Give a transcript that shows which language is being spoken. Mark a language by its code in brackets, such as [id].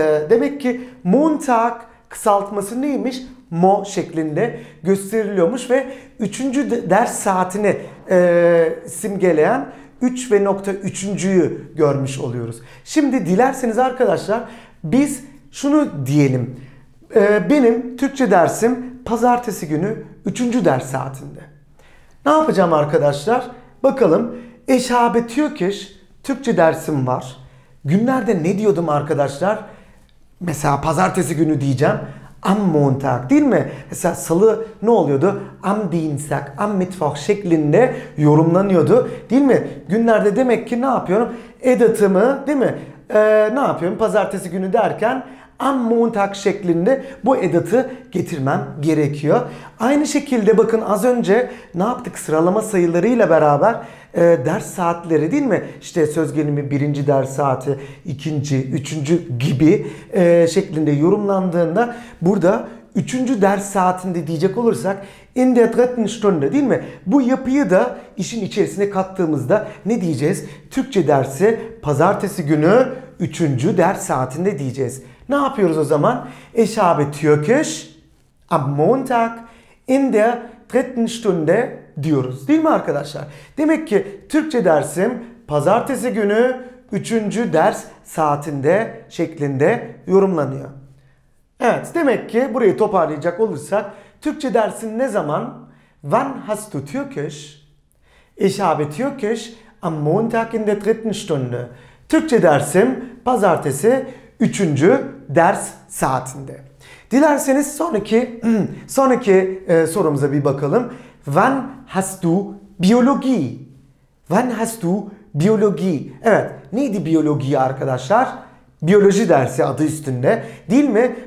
[tr] Demek ki montag kısaltması neymiş? Mo şeklinde gösteriliyormuş ve üçüncü ders saatini simgeleyen 3 ve nokta üçüncüyü görmüş oluyoruz. Şimdi dilerseniz arkadaşlar biz şunu diyelim. Benim Türkçe dersim pazartesi günü 3. ders saatinde. Ne yapacağım arkadaşlar? Bakalım. [de] Ich habe Türkisch, [tr] Türkçe dersim var. Günlerde ne diyordum arkadaşlar? Mesela pazartesi günü diyeceğim. [de] Am Montag, [tr] değil mi? Mesela salı ne oluyordu? [de] Am Dienstag, am Mittwoch [tr] şeklinde yorumlanıyordu. Değil mi? Günlerde demek ki ne yapıyorum? Edatımı, değil mi? Ne yapıyorum? Pazartesi günü derken [de] am Montag [tr] şeklinde bu edatı getirmem gerekiyor. Aynı şekilde bakın az önce ne yaptık? Sıralama sayılarıyla beraber ders saatleri, değil mi? İşte söz gelimi birinci ders saati, ikinci, üçüncü gibi şeklinde yorumlandığında burada üçüncü ders saatinde diyecek olursak [de] in der dritten Stunde, [tr] değil mi? Bu yapıyı da işin içerisine kattığımızda ne diyeceğiz? Türkçe dersi pazartesi günü üçüncü ders saatinde diyeceğiz. Ne yapıyoruz o zaman? [de] Ich habe Türkisch am Montag in der dritten Stunde [tr] diyoruz. Değil mi arkadaşlar? Demek ki Türkçe dersim pazartesi günü üçüncü ders saatinde şeklinde yorumlanıyor. Evet, demek ki burayı toparlayacak olursak Türkçe dersin ne zaman? [de] When hast du Türkisch? Ich habe Türkisch am Montag in der dritten Stunde. [tr] Türkçe dersim pazartesi üçüncü ders saatinde. Dilerseniz sonraki sorumuza bir bakalım. [de] When hast du biologi? When hast du biologi? [tr] Evet, neydi biyoloji arkadaşlar? Biyoloji dersi adı üstünde, değil mi?